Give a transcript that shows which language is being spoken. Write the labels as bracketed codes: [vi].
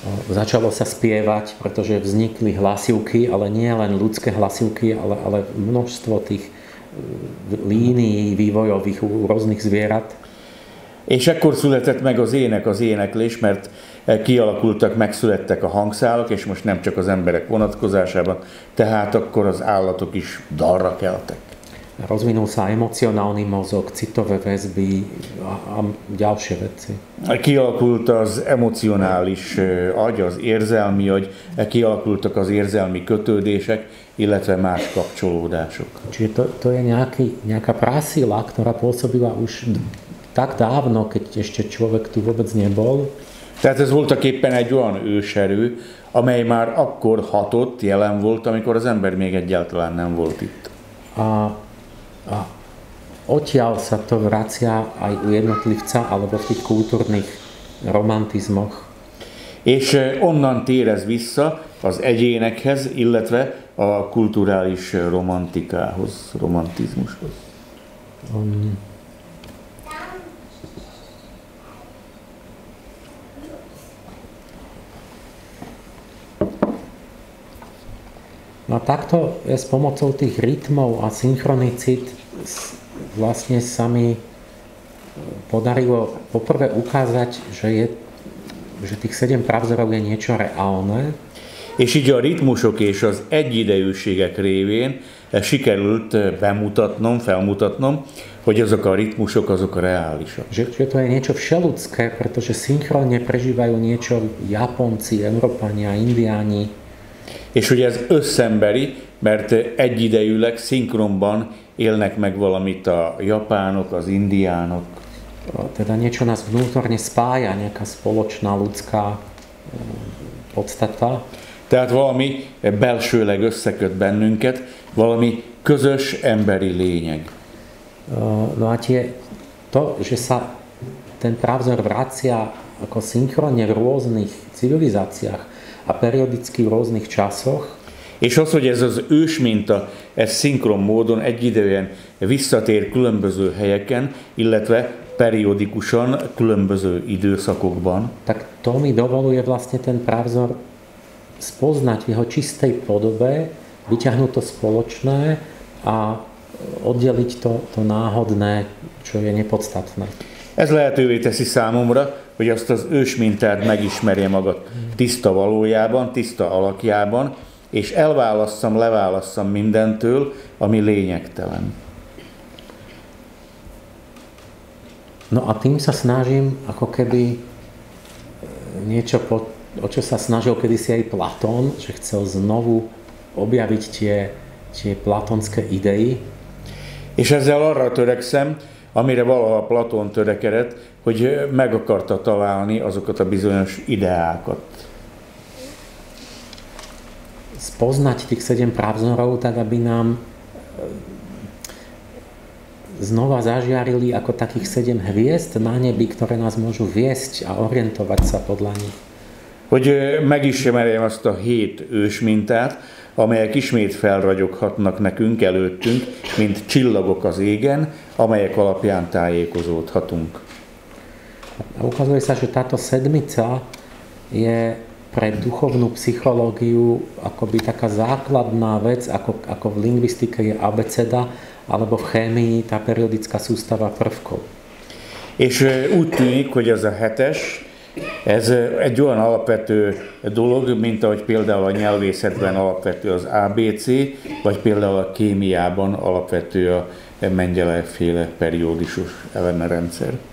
[sk] Začalo sa spievať, pretože vznikli hlasivky, ale nie len ľudské hlasivky, ale množstvo tých línií vývojových u rôznych zvierat. [hu] És ekkor született meg az ének, az éneklés, mert kialakultak, megszülettek a hangszálok, és most nem csak az emberek vonatkozásában, tehát akkor az állatok is dalra keltek. [sk] Rozvinul sa emocionálny mozog, citové väzby a ďalšie veci. [hu] Kialakult az emocionális agy, az érzelmi agy, kialakultak az érzelmi kötődések, illetve más kapcsolódások. [sk] Čiže to je nejaká prásila, ktorá pôsobila už tak dávno, keď ešte človek tu vôbec nebol. [hu] Tehát ez voltak éppen egy olyan őserő, amely már akkor hatott, jelen volt, amikor az ember még egyáltalán nem volt itt. [sk] A odtiaľ sa to vracia aj u jednotlivca, alebo v tých kultúrnych romantizmoch. [hu] És onnan térez vissza az egyénekhez, illetve a kulturális romantikához, romantizmushoz. [sk] No takto je s pomocou tých rytmov a synchronicit vlastne sa mi podarilo poprvé ukázať, že tých 7 pravzorov je niečo reálne. [hu] És így a ritmusok és az egyidejűségek révén sikerült bemutatnom, felmutatnom, hogy azok a ritmusok, azok reálisak. [sk] Že to je niečo všeludské, pretože szinkronne prežívajú niečo Japonci, Európania, Indiáni. [hu] És hogy ez összemberi, mert egyidejűleg szinkronban élnek meg valamit a japánok, az indiánok. [sk] Teda niečo nás vnútorne spája, nejaká spoločná ľudská podstata. [hu] Tehát valami belsőleg összeköt bennünket, valami közös emberi lényeg. [sk] No a tie, to, že sa ten pravzor vracia ako synchronne v rôznych civilizáciách a periodicky v rôznych časoch. [hu] És az, hogy ez az ősminta, ez szinkron módon egyidejűen visszatér különböző helyeken, illetve periodikusan különböző időszakokban. [sk] Tak to mi dovoluje vlastne ten pravzor spoznať v jeho čistej podobe, vyťahnuť to spoločné a oddeliť to náhodné, čo je nepodstatné. [hu] Ez lehetővé teszi számomra, hogy azt az ősmintát megismerje magad tiszta valójában, tiszta alakjában, és elválasszam, leválasszam mindentől, ami lényegtelen. [sk] No a tým sa snažím, ako keby niečo o čo sa snažil kedysi aj Platón, že chcel znovu objaviť tie platonské idei. [hu] És ezzel arra törekszem, amire valaha Platón törekedett, hogy meg akarta találni azokat a bizonyos ideákat. [sk] Spoznať tých 7 pravzorov, tak aby nám znova zažiarili ako takých 7 hviezd na nebi, ktoré nás môžu viesť a orientovať sa podľa nich. [hu] Hogy megismerjem azt a 7 ősmintát, amelyek ismét felragyoghatnak nekünk előttünk, mint csillagok az égen, amelyek alapján tájékozódhatunk. [sk] Ukazuje sa, že táto sedmica je pre duchovnú psychológiu akoby taká základná vec, ako v lingvistike je abeceda, alebo v chémii tá periodická sústava prvkov. [hu] És úgy tűnik, hogy az a hetes, ez egy olyan alapvető dolog, mint ahogy például a nyelvészetben alapvető az ABC, vagy például a kémiában alapvető a Mendelejev-féle periódusos elemrendszer.